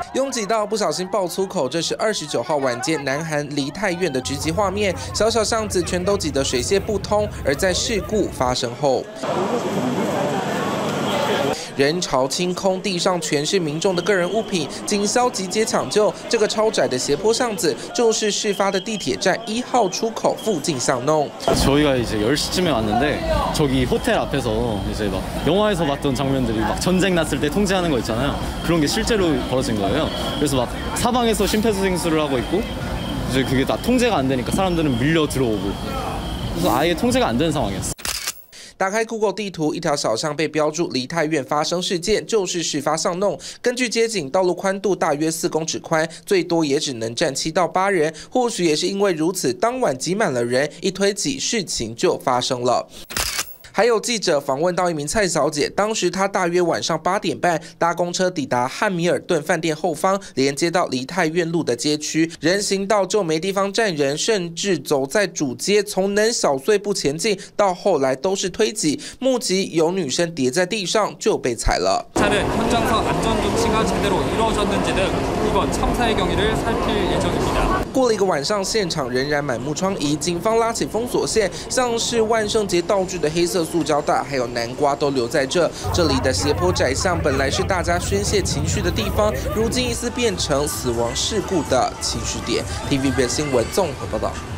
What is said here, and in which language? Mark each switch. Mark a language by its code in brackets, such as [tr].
[zh] 挤到不小心爆粗口，这是29号晚间南韩梨泰院的直击画面，小小巷子全都挤得水泄不通。而在事故发生后， 人潮清空，地上全是民众的个人物品，警消急接抢救。这个超窄的斜坡巷子，就是事发的地铁站1号出口附近巷弄。 [ko] 저희가 이제 10시쯤에 왔는데 저기 호텔 앞에서 이제 막 영화에서 봤던 장면들이 막 전쟁 났을 때 통제하는 거 있잖아요. 그런 게 실제로 벌어진 거예요. 그래서 막 사방에서 심폐소생술을 하고 있고 이제 그게 다 통제가 안 되니까 사람들은 밀려 들어오고 그래서 아예 통제가 안 되는 상황이었어. [zh] 打开 Google 地图一条小巷被标注梨泰院发生事件，就是事发巷弄。根据街景道路宽度大约4公尺宽，最多也只能站7到8人。或许也是因为如此，当晚挤满了人，一推挤，事情就发生了。还有记者访问到一名菜小姐，当时她大约晚上8点半搭公车抵达汉米尔顿饭店后方，连接到梨泰院路的街区，人行道就没地方站人，甚至走在主街，从能小碎步前进，到后来都是推挤。目击有女生跌在地上就被踩了。 [ko] 차를 현장상 안전조치가 제대로 이루어졌는지 등 이번 참사의 경위를 살필 예정입니다. [zh] 过了一个晚上，现场仍然满目疮痍。警方拉起封锁线，像是万圣节道具的黑色塑胶袋，还有南瓜都留在这。这里的斜坡窄巷本来是大家宣泄情绪的地方，如今一丝变成死亡事故的情绪点。 TVBS 新闻综合报道。